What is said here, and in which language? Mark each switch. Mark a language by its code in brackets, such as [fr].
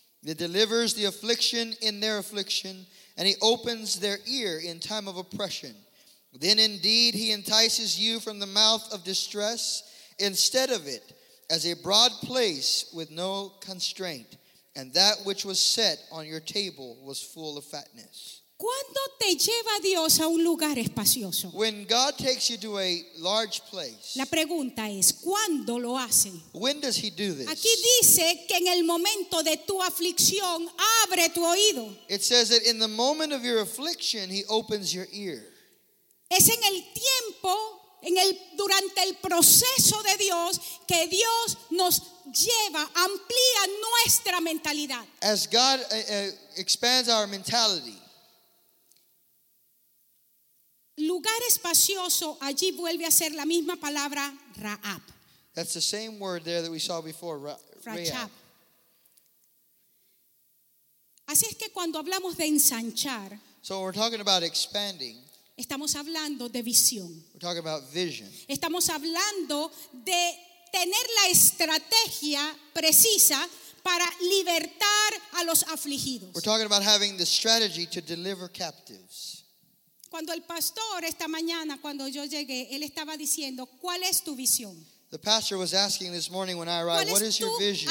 [en] He delivers the affliction in their affliction and he opens their ear in time of oppression. Then indeed he entices you from the mouth of distress instead of it as a broad place with no constraint, and that which was set on your table was full of fatness. [es] ¿Cuándo te lleva Dios a un lugar espacioso? [en] When God takes you to a large place. [es] La pregunta es, ¿cuándo lo hace? [en] When does he do this? [es] Aquí dice que en el momento de tu aflicción abre tu oído. [en] It says that in the moment of your affliction he opens your ear. [es] Es en el tiempo, en el durante el proceso de Dios que Dios nos lleva, amplía nuestra mentalidad. [en] As God expands our mentality. [es] Lugar espacioso, allí vuelve a ser la misma palabra, Ra'ab. [en] That's the same word there that we saw before, Ra'ab. [es] Así es que cuando hablamos de ensanchar, [en] so when we're talking about expanding, [es] estamos hablando de visión. [en] We're talking about vision. [es] Estamos hablando de tener la estrategia precisa para libertar a los afligidos. [en] We're talking about having the strategy to deliver captives. [es] Cuando el pastor esta mañana, cuando yo llegué, él estaba diciendo, ¿cuál es tu visión? [en] The pastor was asking this morning when I arrived, what is your vision?